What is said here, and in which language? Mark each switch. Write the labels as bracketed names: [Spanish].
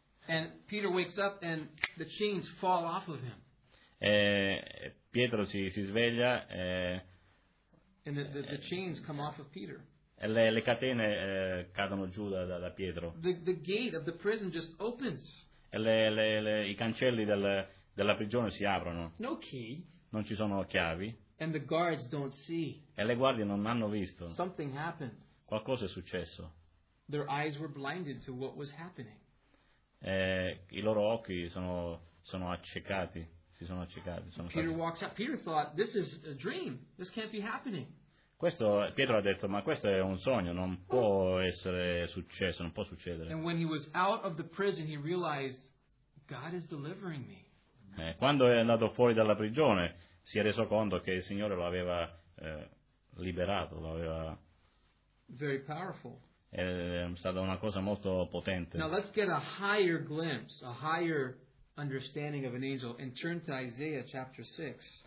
[English] And Peter wakes up and the chains fall off of him. [Italian] E Pietro si sveglia e [English] and the chains come off of Peter. [Italian] Le catene cadono giù da Pietro. [English] The gate of the prison just opens. [Italian] I cancelli della prigione si aprono. [English] No key. [Italian] Non ci sono chiavi. [English] And the guards don't see. [Italian] E le guardie non hanno visto. [English] Something happened. [Italian] Qualcosa è successo. [English] Their eyes were blinded to what was happening. [Italian] I loro occhi sono accecati. Si sono accecati, sono [English] Peter stati. Walks up. Peter thought, "This is a dream. This can't be happening." [Italian] Questo Pietro ha detto, ma questo è un sogno, non può essere successo, non può succedere. [English] And when he was out of the prison, he realized, "God is delivering me." [Italian] Quando è andato fuori dalla prigione, si è reso conto che il Signore lo aveva liberato, lo aveva. [English] Very powerful. [Italian] È stata una cosa molto potente. [English] Now let's get a higher glimpse, a higher understanding of an angel, and turn to Isaiah chapter 6.